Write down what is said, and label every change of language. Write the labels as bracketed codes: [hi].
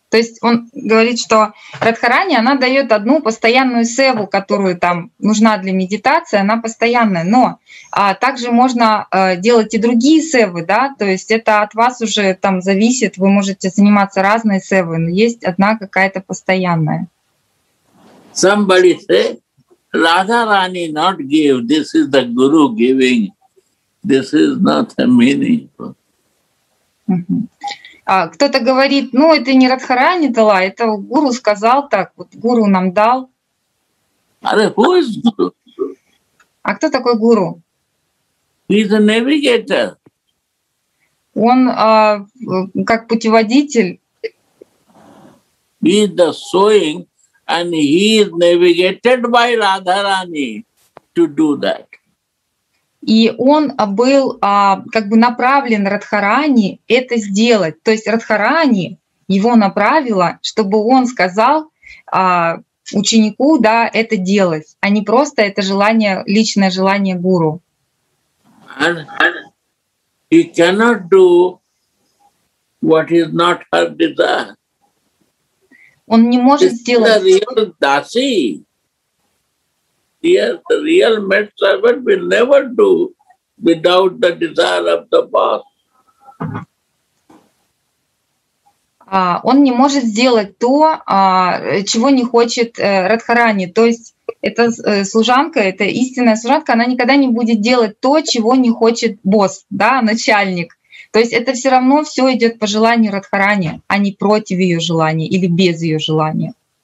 [ru] То есть он говорит, что Радхарани, она дает одну постоянную севу, которую там нужна для медитации, она постоянная. Но также можно делать и другие севы, да, то есть это от вас уже там зависит, вы можете заниматься разной севой, но есть одна какая-то постоянная. [en] Somebody say, Radharani not give, this is the guru giving, this is not a meaningful. [ru] Кто-то говорит, ну, это не Радхарани дала, это гуру сказал так, вот гуру нам дал. А кто такой гуру? [en] He's a navigator. [ru] Он как путеводитель. [en] He's the sowing, and he is navigated by Radharani to do that. [ru] И он был как бы направлен Радхарани это сделать. То есть Радхарани его направила, чтобы он сказал ученику, да, это делать, а не просто это желание, личное желание гуру. [en] He cannot do what is not her desire. [ru] Он не может сделать. [en] This is the real dasi. Yes, the real maid servant will never do without the desire of the boss. [ru] Он не может сделать то, чего не хочет Радхарани. То есть эта служанка, эта истинная служанка, она никогда не будет делать то, чего не хочет босс, да, начальник. То есть это все равно все идет по желанию Радхарани, а не против ее желания или без ее желания.